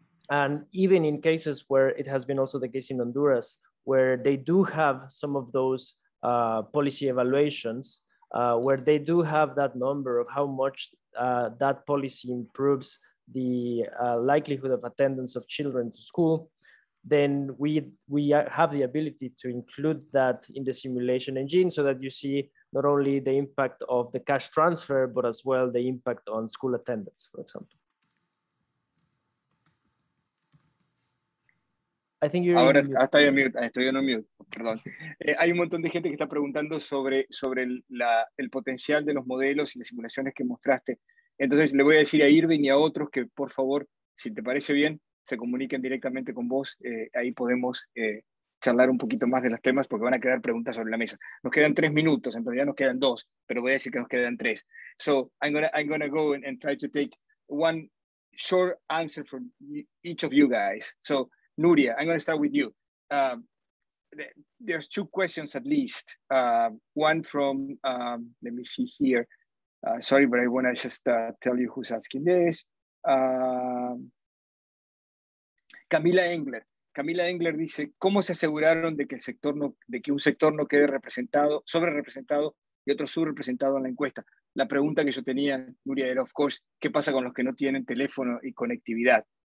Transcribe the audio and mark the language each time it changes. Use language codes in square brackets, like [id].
[en] And even in cases where it has been also the case in Honduras, where they do have some of those policy evaluations, where they do have that number of how much that policy improves the likelihood of attendance of children to school, then we have the ability to include that in the simulation engine so that you see not only the impact of the cash transfer, but as well the impact on school attendance, for example. I think you're [es] ahora, estoy en mute, estoy en mute, perdón. Hay un montón de gente que está preguntando sobre el potencial de los modelos y las simulaciones que mostraste. Entonces le voy a decir a Irving y a otros que, por favor, si te parece bien, se comuniquen directamente con vos. Ahí podemos charlar un poquito más de los temas porque van a quedar preguntas sobre la mesa. Nos quedan 3 minutos, en realidad nos quedan 2, pero voy a decir que nos quedan 3. [en] So I'm gonna go and try to take one short answer from each of you guys. So Nuria, I'm going to start with you. There's 2 questions at least. One from, let me see here. Sorry, but I want to just tell you who's asking this. Camila Engler. [es] Camila Engler dice, ¿cómo se aseguraron de que el sector no, de que un sector no quede representado, sobre representado y otro subrepresentado en la encuesta? La pregunta que yo tenía, Nuria, era, [en] of course, [es] ¿qué pasa con los que no tienen teléfono y conectividad?